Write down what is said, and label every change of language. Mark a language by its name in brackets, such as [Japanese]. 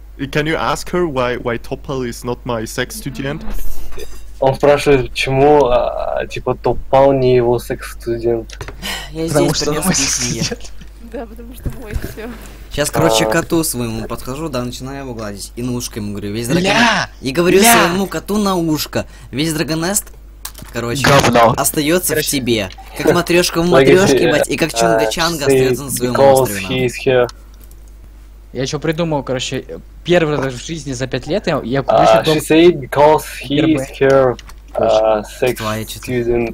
[English] Can you ask her why Topal is not my sex student? [Russian] Он спрашивает, почему, типа, Topal не его секс студент. Я здесь принёс письмо. Да, потому что мой всё. Сейчас, короче, коту своему подхожу, да, начинаю его гладить. И на ушко ему говорю, весь драгонест. И говорю своему коту на ушко. Весь драгонест, короче, остаётся в тебе. Как матрёшка в матрёшке, бать, и как Чунга-Чанга остаётся на своём острове. Я что придумал, короче, первый раз в жизни за 5 лет я купил себе дом. [English] She said, because he is her sex student.